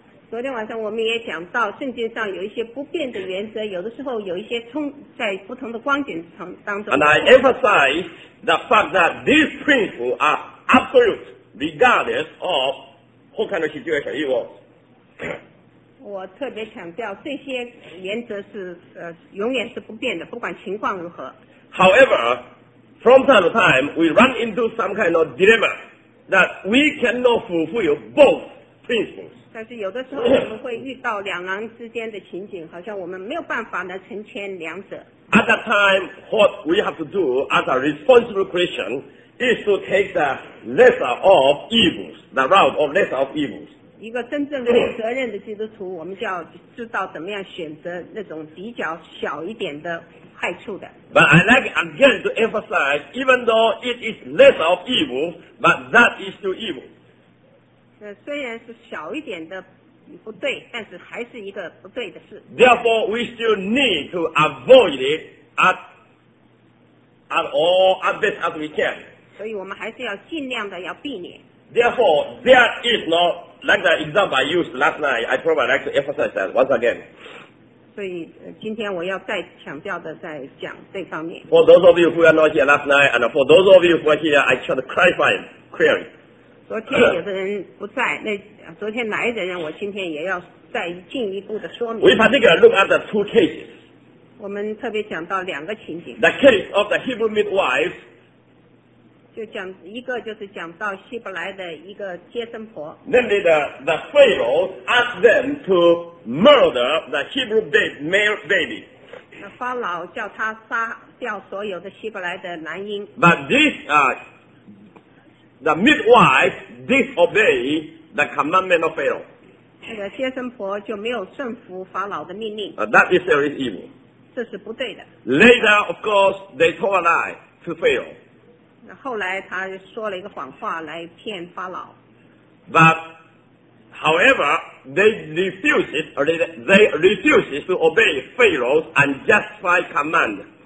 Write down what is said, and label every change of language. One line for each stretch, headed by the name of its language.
Chinese: 昨天晚上我们也讲到圣经上有一些不变的原则，有的时候有一些冲在不同的光景当中。
English: And I emphasize the fact that these principles are absolute regardless of what kind of situation it was.
Chinese: 我特别强调这些原则是永远是不变的，不管情况如何。
English: However, from time to time, we run into some kind of dilemma that we cannot fulfill both principles.
Chinese: 但是有的时候我们会遇到两难之间的情景，好像我们没有办法来成全两者。
English: At that time, what we have to do as a responsible Christian is to take the lesser of evils, the route of lesser of evils.
Chinese: 一个真正有责任的基督徒，我们就要知道怎么样选择那种比较小一点的害处的。
English: But I like again to emphasize, even though it is lesser of evils, but that is still evil.
Chinese: 虽然是小一点的不对，但是还是一个不对的事。
English: Therefore, we still need to avoid it at all as best as we can.
Chinese: 所以我们还是要尽量的要避免。
English: Therefore, there is not like the example I used last night. I probably like to emphasize that once again.
Chinese: 所以今天我要再强调的再讲这方面。
English: For those of you who are not here last night, and for those of you who are here, I try to clarify clearly.
Chinese: 昨天有的人不在，那昨天来的人，我今天也要再进一步的说明。
English: We particularly look at the two cases.
Chinese: 我们特别讲到两个情景。
English: The case of the Hebrew midwives
Chinese: 就讲一个就是讲到希伯来的一个接生婆。
English: Namely, the Pharaoh asked them to murder the Hebrew male baby.
Chinese: 那法老叫他杀掉所有的希伯来的男婴。
English: But this, the midwife disobeyed the commandment of Pharaoh.
Chinese: 那个接生婆就没有顺服法老的命令。
English: That is very evil.
Chinese: 这是不对的。
English: Later, of course, they told a lie to Pharaoh.
Chinese: 后来他说了一个谎话来骗法老。
English: But, however, they refused to obey Pharaoh's unjustified command.